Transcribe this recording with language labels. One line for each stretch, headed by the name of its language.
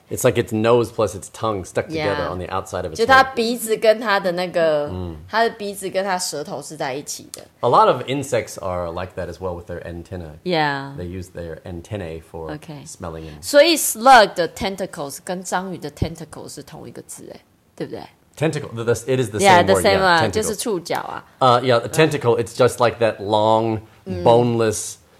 English: It's like its nose plus its tongue stuck together on the outside of its.
Chinese: 就它鼻子跟它的那个，它的鼻子跟它舌头是在一起的。
English: A lot of insects are like that as well with their antenna. Yeah. They use their antennae for smelling. And...
Chinese: 所以 slug 的 tentacles 跟章鱼的 tentacles 是同一个字，哎，对不对？
English: Tentacle. It is the same word. Yeah, the same
Chinese: one. 就是触角啊。
English: A tentacle. It's just like that long, boneless.